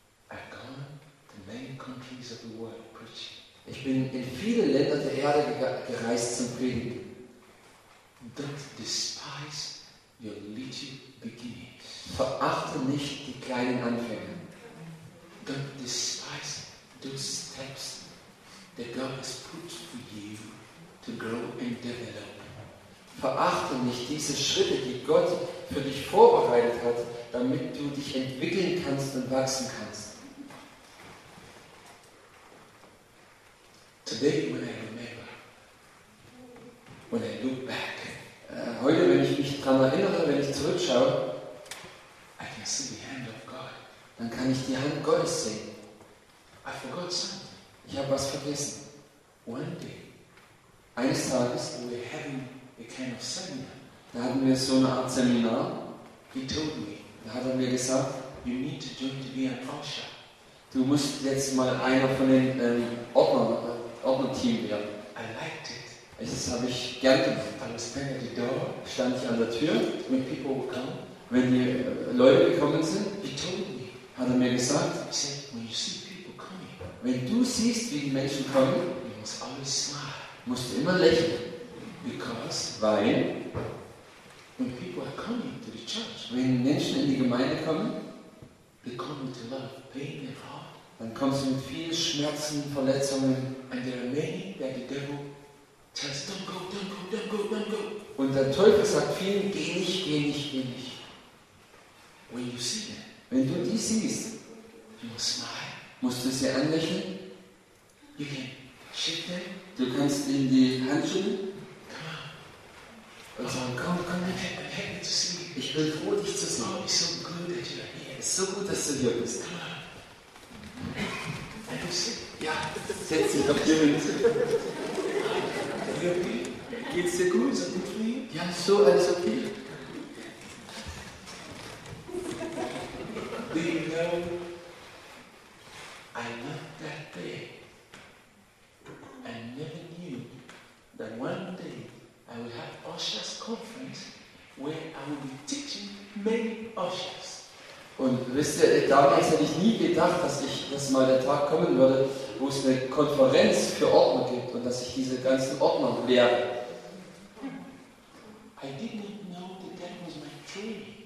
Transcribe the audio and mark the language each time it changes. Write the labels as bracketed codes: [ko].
[en] I've gone to many countries of the world preaching. [de] Ich bin in viele Länder der Erde gereist zum Predigen. [en] Don't despise your little beginnings. [de] Verachte nicht die kleinen Anfänge. [en] Don't despise those steps that God has put for you to grow and develop. [de] Verachte nicht diese Schritte, die Gott für dich vorbereitet hat, damit du dich entwickeln kannst und wachsen kannst. [en] Today, when I remember, when I look back, [de] heute, wenn ich mich daran erinnere, wenn ich zurückschaue, [en] I can see the hand of God. [de] Dann kann ich die Hand Gottes sehen. [en] I forgot something. [de] Ich habe was vergessen. [en] One day, [de] eines Tages, [en] we were having a kind of seminar. [de] Da hatten wir so eine Art Seminar. [en] He told me. [de] Da hat er mir gesagt, [en] you need to join to be an usher. [de] Du musst jetzt mal einer von den Ordner-Team werden. [en] I liked it. [de] Das habe ich gern gemacht. [en] I was standing at the door. [de] Stand ich an der Tür. [en] When people would come. [de] Wenn die Leute gekommen sind. [en] He told me. [de] Hat er mir gesagt. [en] He said, when you see people coming. [de] Wenn du siehst, wie die Menschen kommen. [en] You must always smile. [de] Musst du immer lächeln. [en] Because [de] weil, [en] when people are coming to the church, [de] wenn Menschen in die Gemeinde kommen, [en] they come with a lot of pain in their heart. [de] Dann kommst du mit vielen Schmerzen, Verletzungen. [en] And there are many that the devil tells, don't go, don't go, don't go, don't go. [de] Und der Teufel sagt vielen, geh nicht, geh nicht, geh nicht. [en] When you see them, [de] wenn du die siehst, [en] you must smile. [de] Musst du sie anlächeln. [en] You can shake them. [de] Du kannst ihnen die Hand schütteln. Und sagen, komm, komm, ich bin [en] happy to see you. [de] Ich bin froh, dich zu sehen. [en] It's so good that you are here. [de] Es ist so gut, dass du hier bist. [en] Come on. [de] Ja, setz dich auf die Hände. [en] Happy? [de] Geht's dir gut? So gut wie? Ja, so alles okay. [en] Do you know, I love that day. I never knew that one day I will have ushers conference where I will be teaching many ushers. [de] Und wisst ihr, damals hätte ich nie gedacht, dass mal der Tag kommen würde, wo es eine Konferenz für Ordner gibt und dass ich diese ganzen Ordner lehre. [en] I didn't know that that was my training.